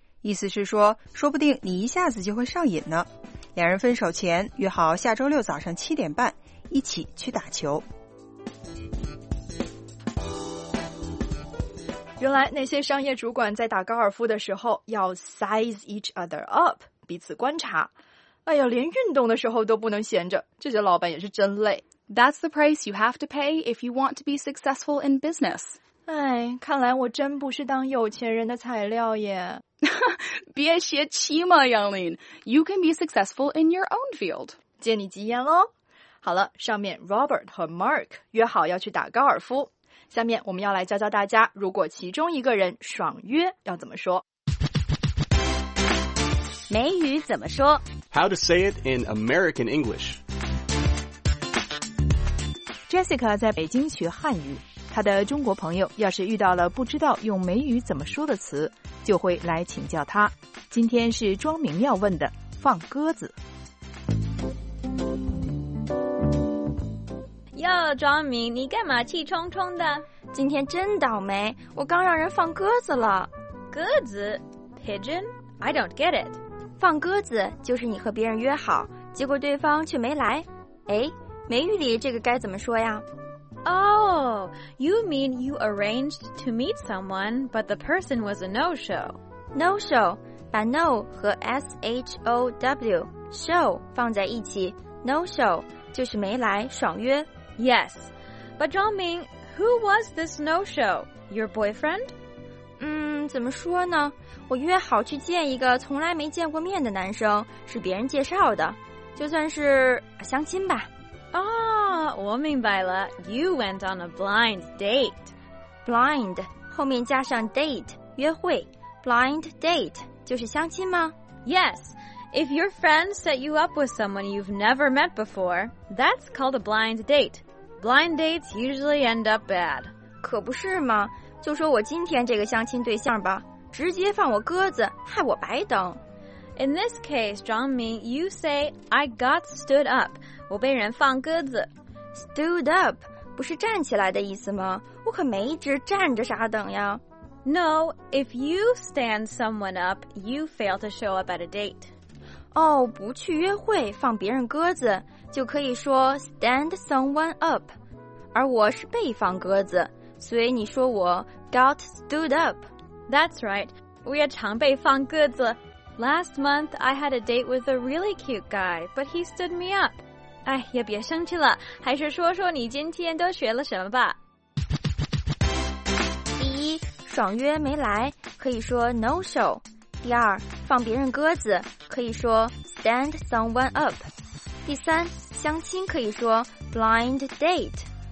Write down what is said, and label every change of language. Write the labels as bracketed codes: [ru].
[zh] 意思是说，说不定你一下子就会上瘾呢。两人分手前约好下周六早上7:30一起去打球。原来那些商业主管在打高尔夫的时候要 [en] size each other up, [zh] 彼此观察。哎呀，连运动的时候都不能闲着，这些老板也是真累。 [en] That's the price you have to pay if you want to be successful in business. [zh] 哎，看来我真不是当有钱人的材料耶。别泄气嘛，杨林。 [en] You can be successful in your own field. [zh] 借你吉言喽。好了，上面 Robert 和 Mark 约好要去打高尔夫。下面我们要来教教大家，如果其中一个人爽约要怎么说。美语怎么说 [en] ？How to say it in American English? [zh] Jessica 在北京学汉语，她的中国朋友要是遇到了不知道用美语怎么说的词，就会来请教她。今天是庄明要问的，放鸽子。哟，庄明，你干嘛气冲冲的？今天真倒霉，我刚让人放鸽子了。鸽子 [en] ？Pigeon? I don't get it. [zh] 放鸽子就是你和别人约好，结果对方却没来。哎，美语里这个该怎么说呀 [en] ？Oh, you mean you arranged to meet someone, but the person was a no-show. [zh] No-show， 把 no 和 s h o w show 放在一起 ，no-show 就是没来，爽约。 [en] Yes, but Zhongming, who was this no-show? Your boyfriend? [zh] 怎么说呢？我约好去见一个从来没见过面的男生，是别人介绍的，就算是相亲吧。我明白了。 [en] You went on a blind date. [zh] Blind 后面加上 date 约会 ，blind date 就是相亲吗 [en] ？Yes. If your friend set you up with someone you've never met before, that's called a blind date. Blind dates usually end up bad. [zh] 可不是吗？就说我今天这个相亲对象吧，直接放我鸽子，害我白等。 [en] In this case, Zhongming, you say, I got stood up. [zh] 我被人放鸽子。 Stood up 不是站起来的意思吗？我可没一直站着傻等呀。 [en] No, if you stand someone up, you fail to show up at a date. [zh] 不去约会放别人鸽子，就可以说 [en] stand someone up， [zh] 而我是被放鸽子，所以你说我 got stood up。 [en] That's right， [zh] 我也常被放鸽子。 [en] Last month I had a date with a really cute guy， but he stood me up。 [zh] 哎，也别生气了，还是说说你今天都学了什么吧。第一，爽约没来，可以说 no show。第二，放别人鸽子可以说 stand someone up。第三，相亲可以说 blind date。